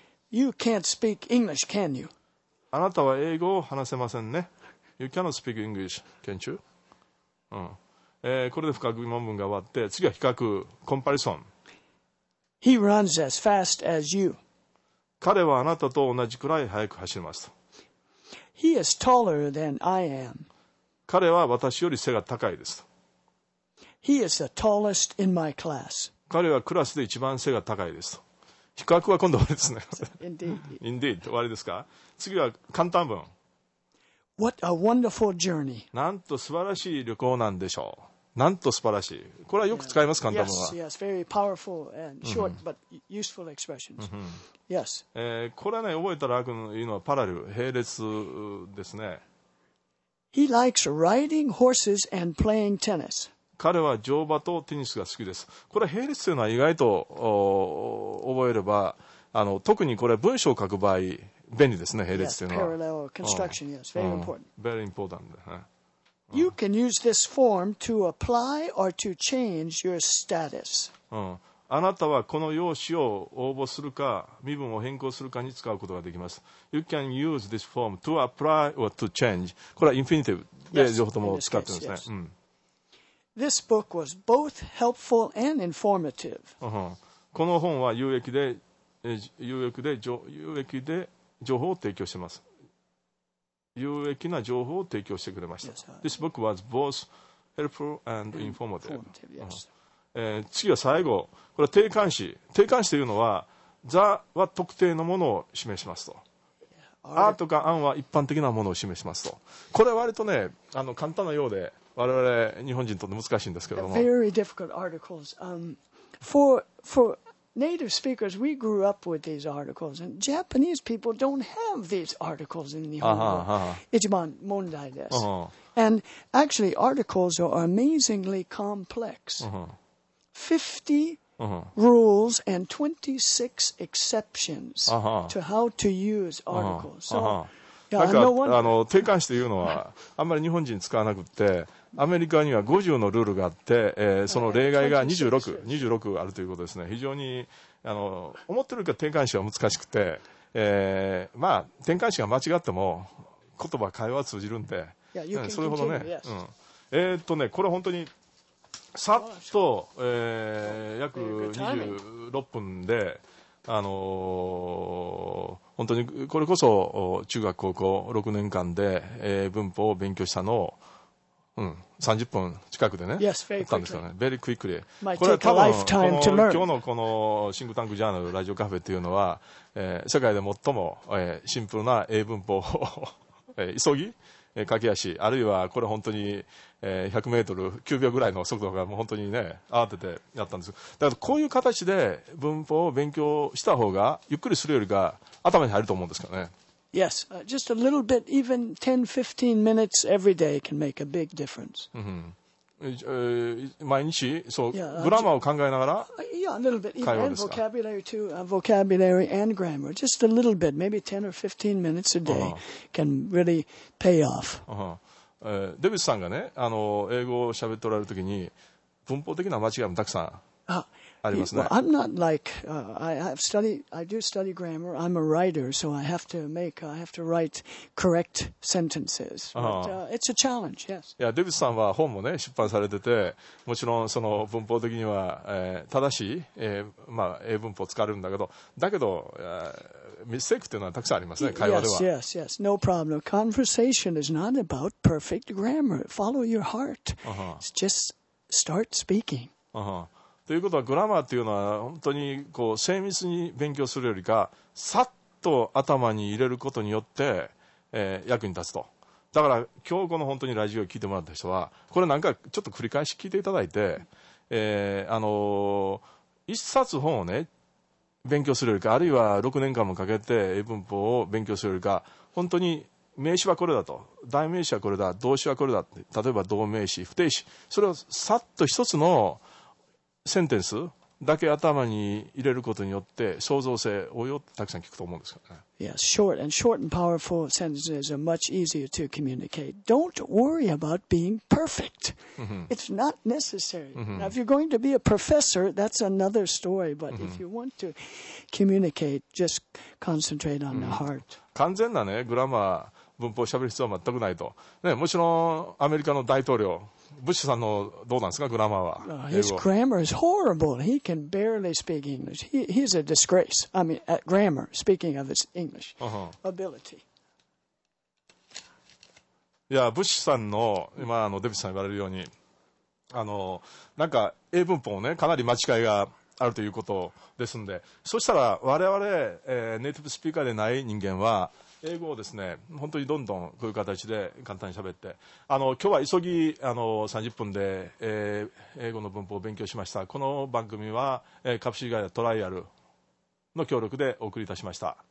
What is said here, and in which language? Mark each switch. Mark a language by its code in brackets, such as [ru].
[en] You can't speak English, can you? [ja] あなたは英語を話せませんね。 [en] You cannot speak English, can't you? [ja] これで深く疑問文が終わって、次は比較、コンパリソン。 [en] He runs as fast as you. [ja] 彼はあなたと同じくらい速く走ります。 [en] He is taller than I am. [ja] 彼は私より背が高いです。 [en] He is the tallest in my class. [ja] 彼はクラスで一番背が高いです。比較は今度終わりですね。 [en] Indeed. Indeed. [ja] 終わりですか？次は簡単文。 [en] What a wonderful journey. [ja] なんと素晴らしい旅行なんでしょう。なんと素晴らしい。これはよく使います、簡単文は。 [en] Yes, yes, very powerful and short but useful expressions. Yes. [ja] これね、覚えたら楽いのはパラレル、並列ですね。 [en] He likes riding horses and playing tennis. [ja] 彼は乗馬とテニスが好きです。これ並列というのは意外と覚えれば、特にこれ文章を書く場合、便利ですね、並列というのは。 [en] Parallel construction, yes, very important. Very important. You can use this form to apply or to change your status. [ja] あなたはこの用紙を応募するか、身分を変更するかに使うことができます。 [en] You can use this form to apply or to change. [ja] これはインフィニティブで両方とも使ってますね。 [en] This book was both helpful and informative. [ja] この本は有益で情報を提供してます。有益な情報を提供してくれました。 [en] Yes, This book was both helpful and informative. Yes. [ja] 次は最後、これは定冠詞。定冠詞というのは、ザは特定のものを示しますと。アーとかアンは一般的なものを示しますと。これは割とね、簡単なようで、我々日本人にとって難しいんですけども。 [en] Very difficult articles. For Native speakers, we grew up with these articles, and Japanese people don't have these articles in Nihongo. [ja] Ichiban mondai desu. [en] And actually, articles are amazingly complex. 50 rules and 26 exceptions to how to use articles. [ja] なんか定冠詞というのはあんまり日本人使わなくて、アメリカには50のルールがあって、その例外が26あるということですね。非常に思ってるか定冠詞は難しくて、定冠詞が間違っても言葉会話は通じるんで、それほどね、これ本当にさっと、約26分で本当にこれこそ中学高校6年間で文法を勉強したのをうん、30分近くでね、 [en] yes, very [ja] ったんですからね、 [en] very quickly. [ja] これは多分この今日のこのシンクタンクジャーナルラジオカフェというのは、世界で最も、シンプルな英文法を急ぎ駆け足、あるいはこれ本当に、100メートル9秒ぐらいの速度がもう本当にね慌ててやったんですよ。だからこういう形で文法を勉強した方がゆっくりするよりが頭に入ると思うんですからね。 [en] Yes, just a little bit, even 10, 15 minutes every day can make a big difference. Mm-hmm. [ja] 毎日そう、グラマーを考えながら会話ですか? [en] Yeah, a little bit, even vocabulary too, vocabulary and grammar. Just a little bit, maybe 10 or 15 minutes a day can really pay off. [ja] デビスさんがね、英語を喋っておられるときに文法的な間違いもたくさん [en] Well, I'm not like, I do study grammar. I'm a writer, so I have to write correct sentences. But it's a challenge, yes. [ja] Yeah, デビスさんは本もね、出版されてて、もちろんその文法的には、正しい、まあ、英文法を使われるんだけど、だけど、ミステークっていうのはたくさんありますね、会話では。 [en] Yes, yes, yes. No problem. Conversation is not about perfect grammar. Follow your heart. Just start speaking. [ja] ということはグラマーというのは本当にこう精密に勉強するよりかさっと頭に入れることによって、役に立つと。だから今日この本当にラジオを聞いてもらった人はこれなんかちょっと繰り返し聞いていただいて、一冊本をね勉強するよりかあるいは6年間もかけて英文法を勉強するよりか本当に名詞はこれだと代名詞はこれだ動詞はこれだって例えば動名詞不定詞それをさっと一つのセンテンスだけ頭に入れることによって創造性応用ってたくさん聞くと思うんですからね。 [en] Yes, short and short and powerful sentences are much easier to communicate. Don't worry about being perfect. It's not necessary. Now, if you're going to be a professor, that's another story. But if you want to communicate, just concentrate on the heart. [ja] 完全なね、グラマー、文法をしゃべる必要は全くないと。ね、もちろんアメリカの大統領。ブッシュさんのどうなんですかグラマーは [en] His grammar is horrible. He can barely speak English. He's a disgrace. I mean, at grammar, speaking of his English ability. [ja] いや、ブッシュさんの今デビスさん言われるようになんか英文法ねかなり間違いがあるということですんで、そしたら我々、ネイティブスピーカーでない人間は英語をですね、本当にどんどんこういう形で簡単に喋って、今日は急ぎ30分で、英語の文法を勉強しました。この番組は、株式会社トライアルの協力でお送りいたしました。